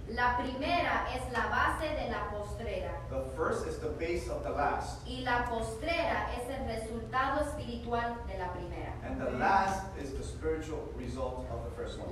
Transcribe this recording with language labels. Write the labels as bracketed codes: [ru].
[es] La primera es la base de la postrera. [en] The first is the base of the last. [es] Y la postrera es el resultado espiritual de la primera. [en] And the last is the spiritual result of the first one.